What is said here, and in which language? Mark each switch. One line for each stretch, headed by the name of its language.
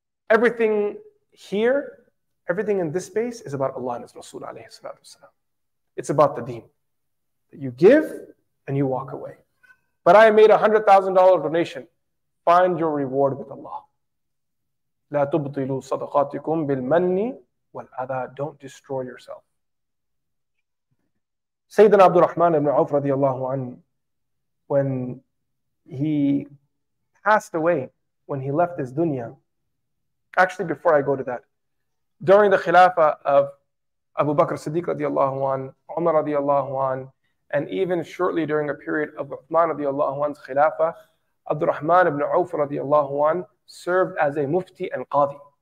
English: Everything here, everything in this space is about Allah and His Rasul alayhi salatu wasalam. It's about the deen. You give and you walk away. But I made a $100,000 donation. Find your reward with Allah.
Arabic: لا تبطلوا صدقاتكم بالمن والأذى.
English: Don't destroy yourself. Sayyidina Abdul Rahman ibn Auf radiallahu anhu, when he passed away, when he left his dunya, actually before I go to that, during the khilafah of Abu Bakr Siddiq radiallahu anhu, Umar radiallahu anhu, and even shortly during a period of Uthman radiallahu anhu's khilafah, Abdul Rahman ibn Auf radiallahu anhu served as a mufti and qadi.